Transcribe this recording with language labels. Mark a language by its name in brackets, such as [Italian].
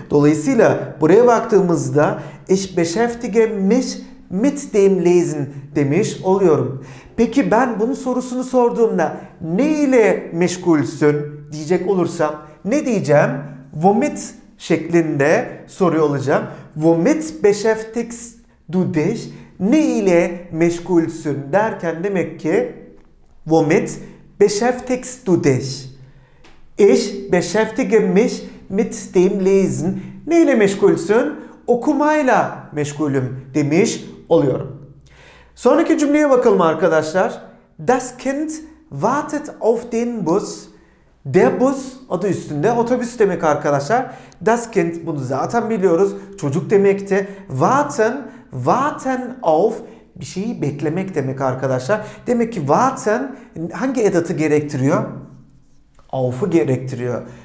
[Turkish] Dolayısıyla buraya baktığımızda [German] ich beschäftige mich mit dem lesen [Turkish] demiş oluyorum. Peki ben bunun sorusunu sorduğumda ne ile meşgulsün diyecek olursam ne diyeceğim? Womit şeklinde soruyor olacağım. [German] Womit beschäftigst du dich? [Turkish] Ne ile meşgulsün derken demek ki [German] womit beschäftigst du dich? Ich beschäftige mich mit dem Lesen. [Turkish] Ne ile meşgulsün? Okumayla meşgulüm demiş oluyorum. Sonraki cümleye bakalım arkadaşlar. [German] Das Kind wartet auf den Bus. [Turkish] Der Bus adı üstünde otobüs demek arkadaşlar. Das Kind bunu zaten biliyoruz. Çocuk demekti. Warten, warten auf bir şeyi beklemek demek arkadaşlar. Demek ki warten hangi edatı gerektiriyor? Auf'u gerektiriyor.